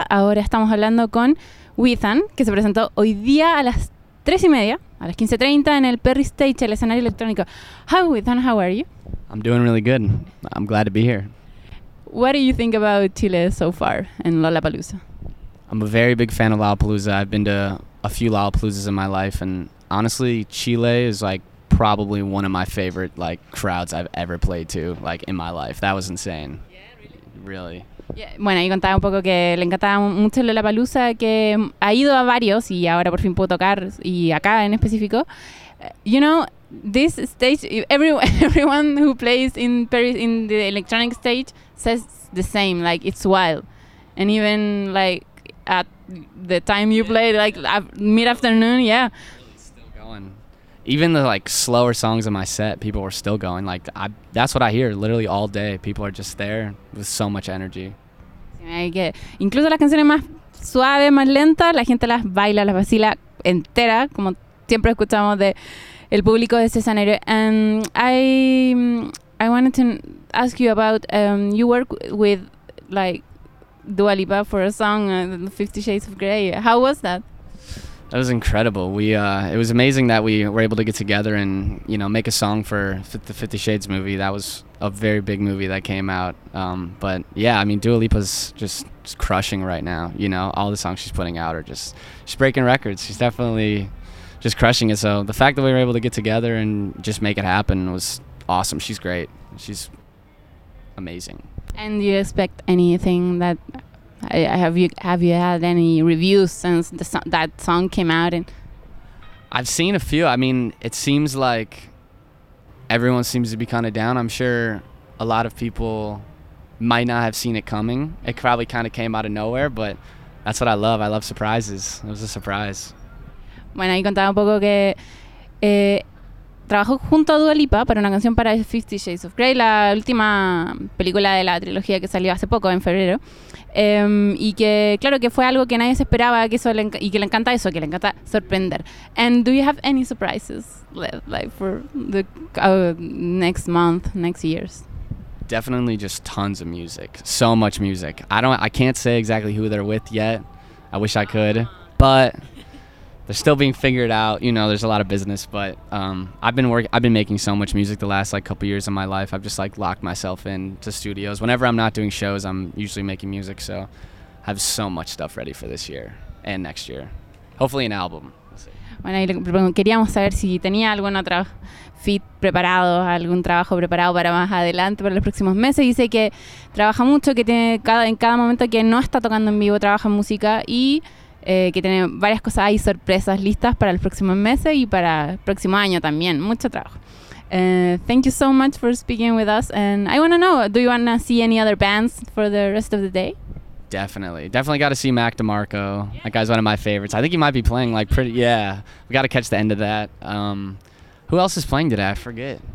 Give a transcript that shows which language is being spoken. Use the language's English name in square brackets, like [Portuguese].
[Spanish] Ahora estamos hablando con Withan, que se presentó hoy día a las 3 y media, a las 15:30 en el Perry Stage, el escenario electrónico. [English] Hi Withan, how are you? I'm doing really good. I'm glad to be here. What do you think about Chile so far and Lollapalooza? I'm a very big fan of Lollapalooza. I've been to a few Lollapaloozas in my life, and honestly, Chile is like probably one of my favorite like crowds I've ever played to like in my life. That was insane. Really. Yeah. [Spanish] Bueno, y contaba un poco que le encantaba mucho Lollapalooza, que ha ido a varios y ahora por fin pudo tocar, y acá en específico. [English] You know, this stage, everyone who plays in Paris in the electronic stage says the same, like it's wild. And even like at the time you played, like mid-afternoon, yeah. It's still going. Even the like slower songs in my set, people were still going. Like that's what I hear literally all day. People are just there with so much energy. [Spanish] Incluso las canciones más suaves, más lentas, la gente las baila, las vacila entera, como siempre escuchamos de el público de Cesanero. [English] And I wanted to ask you about you work with like Dua Lipa for a song, Fifty Shades of Grey. How was that? That was incredible. It was amazing that we were able to get together and, you know, make a song for the 50 Shades movie. That was a very big movie that came out. But yeah, I mean, Dua Lipa's just crushing right now. You know, all the songs she's putting out are just, she's breaking records. She's definitely just crushing it. So the fact that we were able to get together and just make it happen was awesome. She's great. She's amazing. And do you expect anything that... Have you had any reviews since that song came out? And I've seen a few. I mean, it seems like everyone seems to be kind of down. I'm sure a lot of people might not have seen it coming. It probably kind of came out of nowhere, but that's what I love. I love surprises. It was a surprise. [Spanish] Bueno, y contaba un poco que trabajó junto a Dua Lipa para una canción para Fifty Shades of Grey, la última película de la trilogía que salió hace poco, en febrero. Y que claro que fue algo que nadie se esperaba, que eso y que le encanta eso, que le encanta sorprender. [English] And do you have any surprises left, like for the next month, next years? Definitely, just tons of music, so much music. I can't say exactly who they're with yet. I wish I could, but they're still being figured out. You know, there's a lot of business, but I've been making so much music the last like couple years of my life. I've just like locked myself in to studios. Whenever I'm not doing shows, I'm usually making music. So I have so much stuff ready for this year and next year. Hopefully an album. We'll see. [Spanish] Bueno, queríamos saber si tenía algún otro feat preparado, algún trabajo preparado para más adelante, para los próximos meses. Dice que trabaja mucho, que tiene en cada momento que no está tocando en vivo, trabaja en música y que tiene varias cosas y sorpresas listas para los próximos meses y para el próximo año también. Mucho trabajo. [English] Thank you so much for speaking with us. And I want to know, do you want to see any other bands for the rest of the day? Definitely. Definitely got to see Mac DeMarco. That guy's one of my favorites. I think he might be playing like pretty, yeah. We got to catch the end of that. Who else is playing today? I forget.